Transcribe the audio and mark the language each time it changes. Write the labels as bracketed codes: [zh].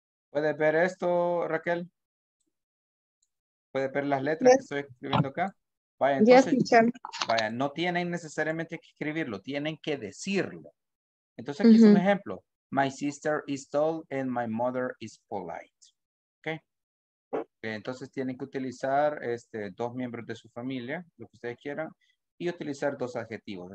[es] ¿Puedes ver esto, Raquel? ¿Puedes ver las letras que estoy escribiendo acá? Vaya, entonces, vaya, no tienen necesariamente que escribirlo, tienen que decirlo. Entonces, aquí es un ejemplo. [en] My sister is tall and my mother is polite. ¿Ok? [es] Entonces, tienen que utilizar dos miembros de su familia, lo que ustedes quieran, y utilizar dos adjetivos.